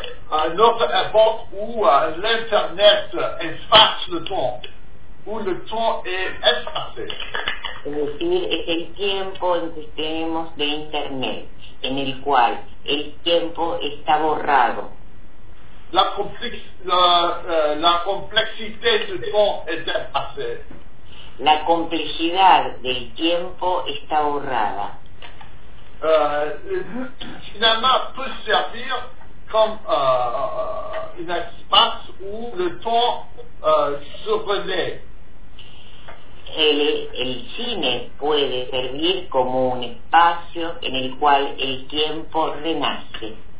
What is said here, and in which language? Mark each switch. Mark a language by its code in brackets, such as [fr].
[fr] Un autre époque où l'internet efface le temps, où le temps est effacé. C'est-à-dire, c'est le temps [es] en que tenemos de internet, en el cual el tiempo está borrado. [fr] La complexité du temps est effacée. [es] La complejidad del tiempo está borrada. [fr] Le cinéma peut servir comme un espace où le temps se relaie. [es] El cine puede servir como un espacio en el cual el tiempo renace.